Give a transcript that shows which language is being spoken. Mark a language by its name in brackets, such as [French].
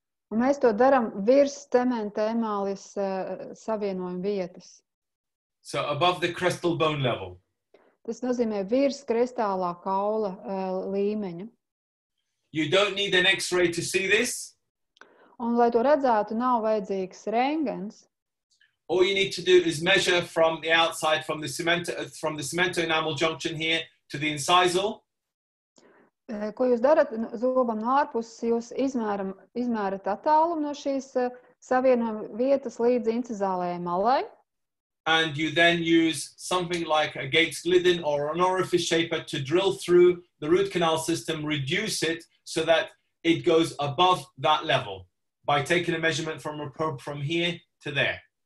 [Latvian] Un mēs to daram virs cementa emālis savienojuma vietas. [English] So above the crestal bone level. [Latvian] Tas nozīmē virs krestālā kaula līmeņa. [English] You don't need an x-ray to see this. [Latvian] Un lai to redzētu, nav vajadzīgs rentgens. [English] All you need to do is measure from the outside, from the cemento enamel junction here to the incisal. [Latvian] Ko jūs darat zobam no ārpuses, jūs izmērat attālumu no šīs savienojuma vietas līdz incizālajai malai. [English] And you then use something like a gauge lidin or an orifice shaper to drill through the root canal system, reduce it so that it goes above that level by taking a measurement from a probe from here to there.